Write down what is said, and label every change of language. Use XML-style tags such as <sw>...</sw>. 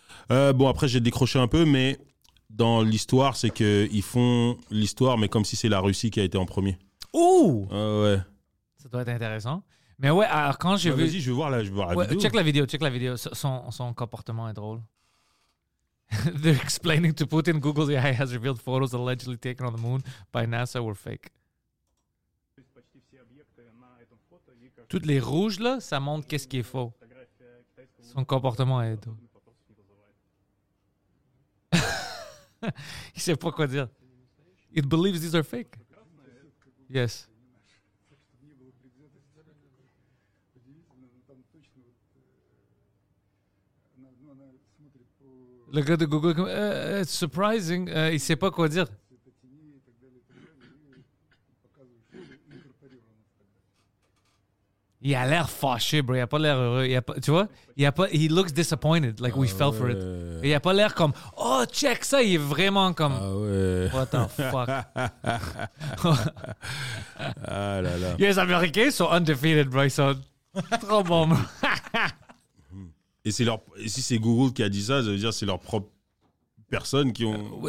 <fr>Bon, après, j'ai décroché un peu, mais dans l'histoire, c'est qu'ils font l'histoire, mais comme si c'est la Russie qui a été en premier. Ouh! Ouais. Ça doit être intéressant. Mais ouais, alors quand j'ai vu... Vas-y, je vais voir la ouais, vidéo. Check la vidéo, check la vidéo. Son comportement est drôle.</fr> <en>They're explaining to Putin, Google AI has revealed photos allegedly taken on the moon by NASA were fake.</en> <fr>Toutes les rouges, là, ça montre qu'est-ce qui est faux. Son comportement est doux. Il sait pas quoi dire.</fr> <en>It believes these are fake. Yes.</en> <fr>Le gars de Google,</fr> <en>it's surprising.</en> <fr>Il sait pas quoi dire. Il a l'air fâché, bro. Il a pas l'air heureux. Tu vois? Il a pas.</fr> <en>He looks disappointed, like we fell for it.</en> <fr>Il a pas l'air comme, oh, check ça. Il est vraiment comme,</fr> <en>what the fuck?</en> <fr>Ah là là. Les Américains sont undefeated, bro. Ils sont trop bons. Et c'est leur. Et si c'est Google qui a dit ça, ça veut dire que c'est leur propre personne qui ont.</fr>